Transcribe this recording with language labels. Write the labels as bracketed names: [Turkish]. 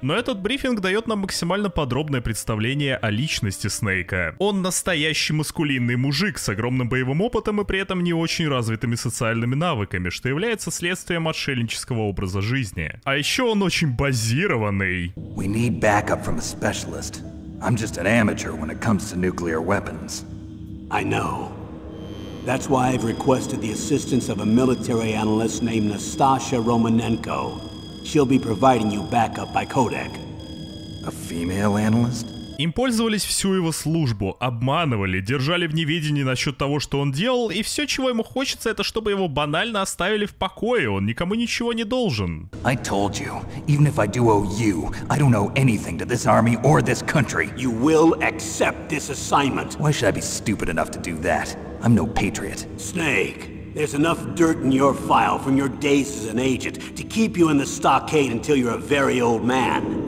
[Russian] Но этот брифинг дает нам максимально подробное представление о личности Снейка. Он настоящий маскулинный мужик с огромным боевым опытом и при этом не очень развитыми социальными навыками, что является следствием отшельнического образа жизни. А еще он очень базированный. [English] We need backup from a specialist. I'm just an amateur when it comes to nuclear weapons. I know. That's why I've requested the assistance of a military analyst named Nastasha Romanenko. She'll be providing you backup by codec. A female analyst? [Russian] Им пользовались всю его службу, обманывали, держали в неведении насчет того, что он делал, и все, чего ему хочется, это чтобы его банально оставили в покое, он никому ничего не должен. [English] I told you, even if I do owe you, I don't owe anything to this army or this country. You will accept this assignment. Why should I be stupid enough to do that? I'm no patriot. Snake, there's enough dirt in your file from your days as an agent to keep you in the stockade until you're a very old man.